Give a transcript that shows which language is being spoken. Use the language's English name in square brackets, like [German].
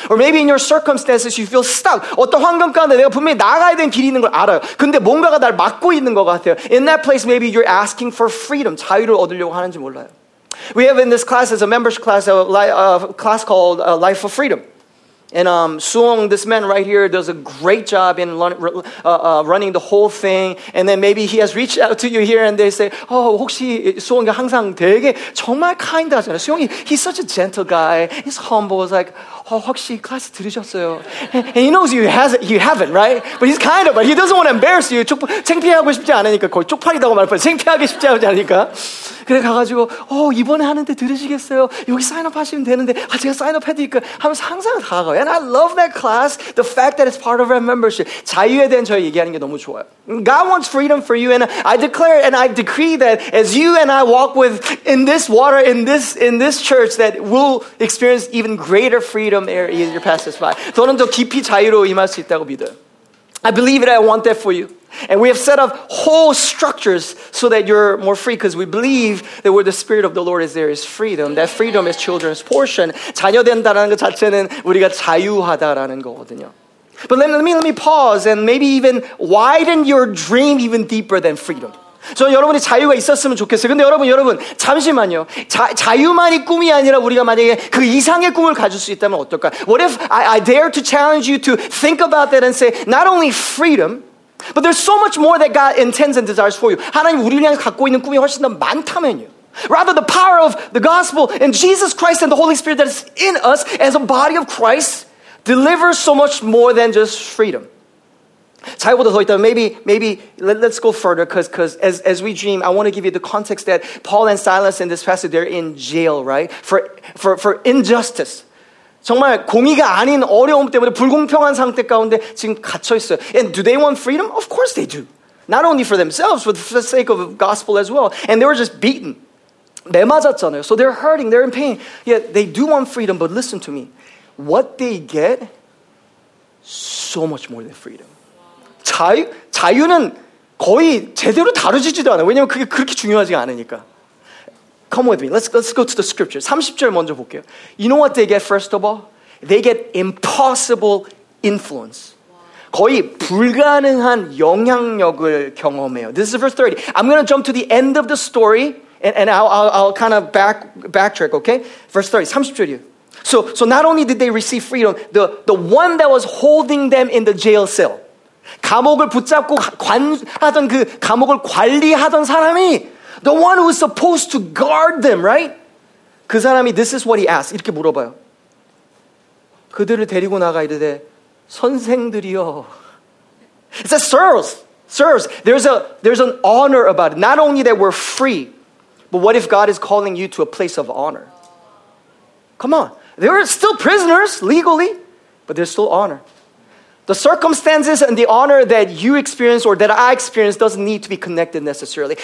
[English] Or maybe in your circumstances you feel stuck. [Korean] 어떤 환경 가운데 내가 분명히 나가야 되는 길이 있는 걸 알아요. 근데 뭔가가 날 막고 있는 것 같아요. [English] In that place maybe you're asking for freedom, [Korean] 자유를 얻으려고 하는지 몰라요. [English] We have in this class as a members class a class called Life of Freedom. And Suong, this man right here, does a great job in running the whole thing. And then maybe he has reached out to you here and they say, oh, [Korean] 혹시 Suong이 항상 되게 정말 kind 하잖아요. [English] Suong이, he's such a gentle guy. He's humble. He's like, oh, [Korean] 혹시 class 들으셨어요? [English] And he knows you haven't, right? But he's kind of, but he doesn't want to embarrass you. [Korean] 창피하고 싶지 않으니까. 거의 쪽팔이라고 말할 뻔. 창피하기 싶지 않으니까. 그래 가가지고 어 이번에 하는데 들으시겠어요? 여기 사인업 하시면 되는데 아 제가 사인업 해드릴까 하면서 항상 다가가요. [English] And I love that class, the fact that it's part of our membership. [Korean] 자유에 대한 저희 얘기하는 게 너무 좋아요. [English] God wants freedom for you, and I declare and I decree that as you and I walk with in this water, in this church, that we'll experience even greater freedom as you pass this by. [Korean] 저는 더 깊이 자유로 임할 수 있다고 믿어요. [English] I believe it, I want that for you. And we have set up whole structures so that you're more free because we believe that where the Spirit of the Lord is, there is freedom. That freedom is children's portion. [Korean] 자녀된다는 것 자체는 우리가 자유하다라는 거거든요. [English] But let me pause and maybe even widen your dream even deeper than freedom. [Korean] 저는 여러분이 자유가 있었으면 좋겠어요. 근데 여러분 잠시만요. 자유만이 꿈이 아니라 우리가 만약에 그 이상의 꿈을 가질 수 있다면 어떨까? [English] What if I dare to challenge you to think about that and say not only freedom, but there's so much more that God intends and desires for you. [Korean] 하나님 우리를 향해 갖고 있는 꿈이 훨씬 더 많다면요. [English] Rather, the power of the gospel and Jesus Christ and the Holy Spirit that is in us as a body of Christ delivers so much more than just freedom. [Korean] 자유보다 더 있다면 [English] maybe let's go further because as we dream, I want to give you the context that Paul and Silas in this passage, they're in jail, right? For injustice. [Korean] 정말 공의가 아닌 어려움 때문에 불공평한 상태 가운데 지금 갇혀 있어요. [English] And do they want freedom? Of course they do. Not only for themselves, but for the sake of gospel as well. And they were just beaten. [Korean] 매 맞았잖아요. [English] So they're hurting, they're in pain. Yet they do want freedom, but listen to me. What they get, so much more than freedom. [Korean] 자유는 거의 제대로 다루지지도 않아요. 왜냐면 그게 그렇게 중요하지 않으니까. [English] Come with me. Let's go to the scripture. [Korean] 30절 먼저 볼게요. [English] You know what they get first of all? They get impossible influence. [Korean] 거의 불가능한 영향력을 경험해요. [English] This is verse 30. I'm going to jump to the end of the story and I'll kind of backtrack, okay? Verse 30. [Korean] 30절이요. [English] So not only did they receive freedom, the one that was holding them in the jail cell. [Korean] 감옥을 붙잡고 관하던 그 감옥을 관리하던 사람이 [English] the one who is supposed to guard them, right? [Korean] 그 사람이 [English] this is what he asked. [Korean] 이렇게 물어봐요. 그들을 데리고 나가 이르되 선생들이여. [English] It says, sirs, sirs. There's an honor about it. Not only that we're free, but what if God is calling you to a place of honor? Come on. They're still prisoners legally, but there's still honor. The circumstances and the honor that you experience or that I experience doesn't need to be connected necessarily.